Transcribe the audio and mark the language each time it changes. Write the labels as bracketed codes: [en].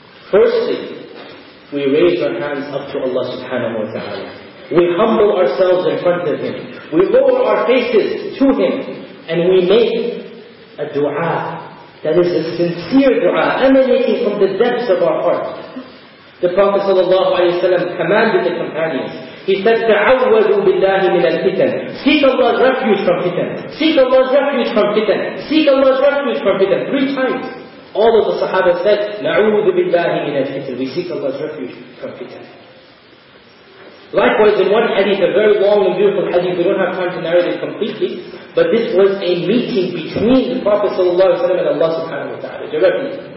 [en] Firstly, we raise our hands up to Allah subhanahu wa ta'ala. We humble ourselves in front of Him. We lower our faces to Him. And we make a dua that is a sincere dua emanating from the depths of our heart. The Prophet sallallahu alayhi wa sallam commanded the companions. He said, [ar] تَعَوَّذُوا بِاللَّهِ مِنَ الْفِتَنِ. [en] Seek Allah's refuge from fitan. Seek Allah's refuge from fitan. Seek Allah's refuge from fitan. 3 times. All of the Sahaba said, [ar] نَعُوذُ بِاللَّهِ مِنَ الْفِتَنِ. [en] We seek Allah's refuge from fitan. Likewise, in one hadith, a very long and beautiful hadith, we don't have time to narrate it completely, but this was a meeting between the Prophet sallallahu alayhi wa sallam and Allah subhanahu wa ta'ala, directly.